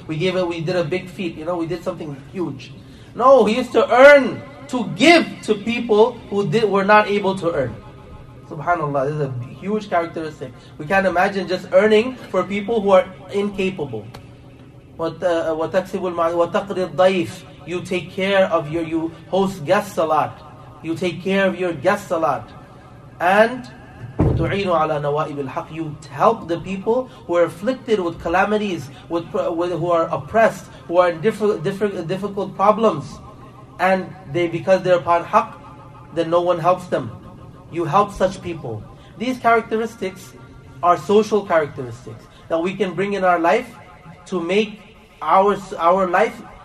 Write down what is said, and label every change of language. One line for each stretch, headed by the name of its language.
English: We did a big feat, you know, we did something huge. No, he used to earn to give to people who were not able to earn. Subhanallah, this is a huge characteristic. We can't imagine just earning for people who are incapable. You take care of your guests a lot.
Arabic: And تُعِينُ عَلَى نَوَائِبِ الْحَقِّ.
English: You help the people who are afflicted with calamities, who are oppressed, who are in difficult problems. And they, because they're upon haqq, then no one helps them. You help such people. These characteristics are social characteristics that we can bring in our life to make our life